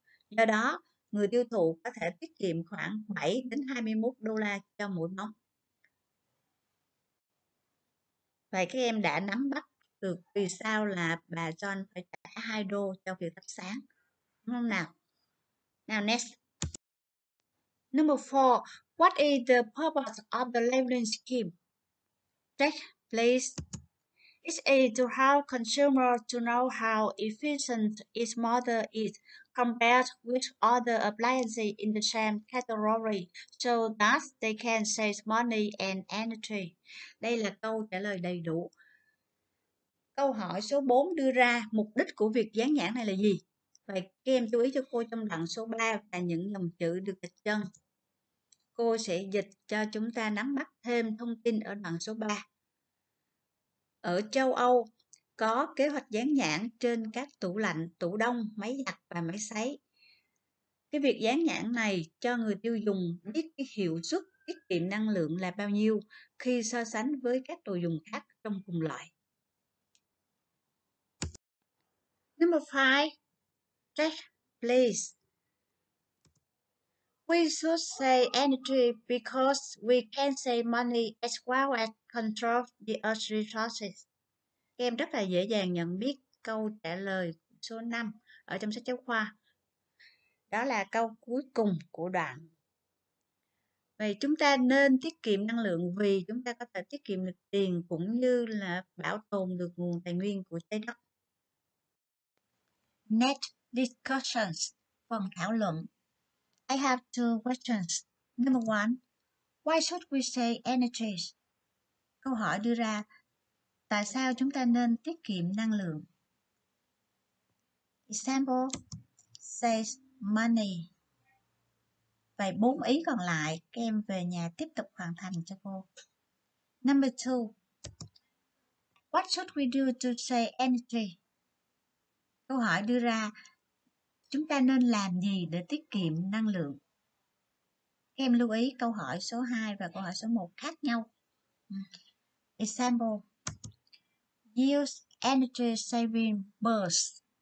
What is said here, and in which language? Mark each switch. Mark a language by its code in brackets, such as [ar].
[vi] Do đó, người tiêu thụ có thể tiết kiệm khoảng 7 đến 21 đô la cho mỗi bóng. Vậy các em đã nắm bắt được vì sao là bà John phải trả 2 đô cho việc thắp sáng, đúng không nào? [en] Now next. Number 4. What is the purpose of the labeling scheme? Take, please. It is to help consumers to know how efficient its model is compared with other appliances in the same category so that they can save money and energy. [vi] Đây là câu trả lời đầy đủ. Câu hỏi số 4 đưa ra mục đích của việc dán nhãn này là gì? Vậy các em chú ý cho cô trong đoạn số 3 là những dòng chữ được đặt chân. Cô sẽ dịch cho chúng ta nắm bắt thêm thông tin ở đoạn số 3. Ở châu Âu, có kế hoạch dán nhãn trên các tủ lạnh, tủ đông, máy giặt và máy sấy. Cái việc dán nhãn này cho người tiêu dùng biết cái hiệu suất tiết kiệm năng lượng là bao nhiêu khi so sánh với các đồ dùng khác trong cùng loại. [en] Number 5, check please. We should save energy because we can save money as well as control the earth resources. [vi] Em rất là dễ dàng nhận biết câu trả lời số 5 ở trong sách giáo khoa. Đó là câu cuối cùng của đoạn. Vậy chúng ta nên tiết kiệm năng lượng vì chúng ta có thể tiết kiệm được tiền cũng như là bảo tồn được nguồn tài nguyên của trái đất. [en] Next discussions, [vi] phần thảo luận. [en] I have two questions. Number one, why should we save energy? [vi] Câu hỏi đưa ra, tại sao chúng ta nên tiết kiệm năng lượng? [en] Example, save money. [vi] Vậy 4 ý còn lại, các em về nhà tiếp tục hoàn thành cho cô. [en] Number two, what should we do to save energy? [vi] Câu hỏi đưa ra, chúng ta nên làm gì để tiết kiệm năng lượng? Các em lưu ý câu hỏi số 2 và câu hỏi số 1 khác nhau. [en] Example, use energy saving bulbs.